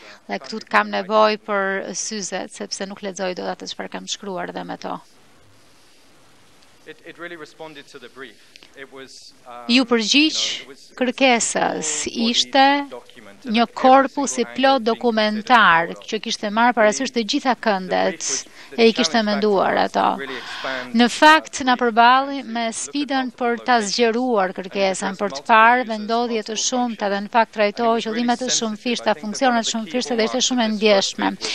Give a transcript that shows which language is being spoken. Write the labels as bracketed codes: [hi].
[sq] Dhe këtu të kam nevoj për syzet, sepse nuk lexoj dot atë çfarë kam shkruar dhe me to. [en] It really responded to the brief. It was [sq] ju përgjigj kërkesës. Ishte një korpus I plot dokumentar që kishte marrë parasysh të gjitha këndet e I kishte menduar ato. Në fakt na përballi me sfidën për ta zgjeruar kërkesën, për të parë vendodhje të shumta dhe në fakt trajtohej qëllimet të shumëfishta, funksionet shumëfishte dhe ishte shumë e ndjeshme.